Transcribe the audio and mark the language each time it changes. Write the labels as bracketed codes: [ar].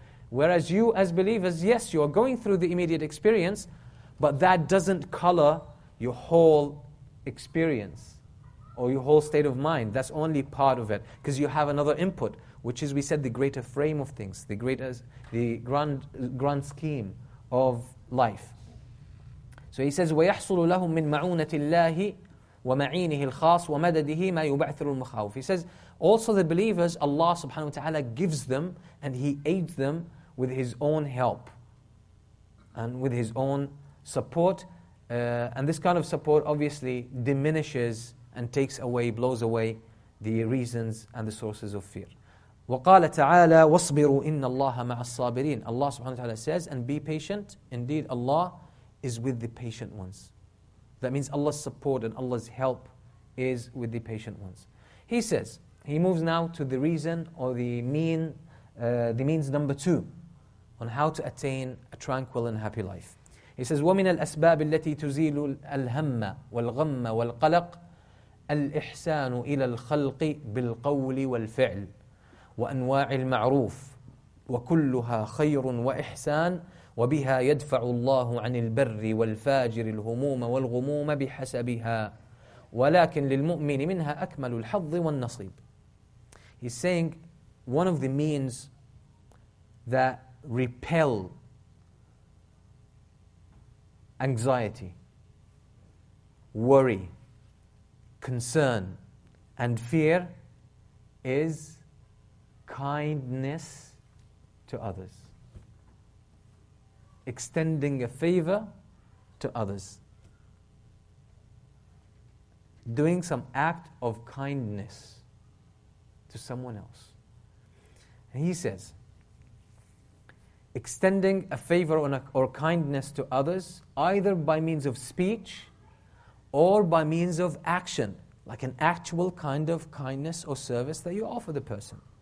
[en] Whereas you as believers, yes, you are going through the immediate experience, but that doesn't color your whole experience or your whole state of mind. That's only part of it, because you have another input, which is, we said, the greater frame of things, the grand scheme of life. So he says, [ar] وَيَحْصُلُ لَهُمْ مِنْ مَعُونَةِ اللَّهِ وَمَعِينِهِ الْخَاصِ وَمَدَدِهِ مَا يُبَعْثِرُ الْمُخَاوِفِ. [en] He says, Also the believers, Allah subhanahu wa ta'ala gives them and He aids them with His own help and with His own support. And this kind of support obviously diminishes and takes away, blows away the reasons and the sources of fear. [ar] وَقَالَ تَعَالَى وَاصْبِرُوا إِنَّ اللَّهَ مَعَ الصَّابِرِينَ [en] Allah subhanahu wa ta'ala says, and be patient. Indeed, Allah is with the patient ones. That means Allah's support and Allah's help is with the patient ones. He says, he moves now to the reason or the means number two on how to attain a tranquil and happy life. He says, [ar] وَمِنَ الْأَسْبَابِ الَّتِي تُزِيلُ الْهَمَّ وَالْغَمَّ وَالْقَلَقِ الْإِحْسَانُ إِلَى الْخَلْقِ بِالْقَوْلِ وَالْفِعْلِ وَأَنْوَاعِ الْمَعْرُوفِ وَكُلُّهَا خَيْرٌ وَإِحْسَانٌ وَبِهَا يَدْفَعُ اللَّهُ عَنِ الْبَرِّ وَالْفَاجِرِ الْهُمُومَ وَالْغُمُومَ بِحَسَبِهَا وَلَكِنْ لِلْمُؤْمِنِ مِنْهَا أَكْمَلُ الْحَظِّ وَالنَّصِيبِ [en] He's saying one of the means that repel anxiety, worry, concern, and fear is kindness to others. Extending a favor to others. Doing some act of kindness to someone else. And he says, extending a favor or kindness to others, either by means of speech or by means of action, like an actual kind of kindness or service that you offer the person.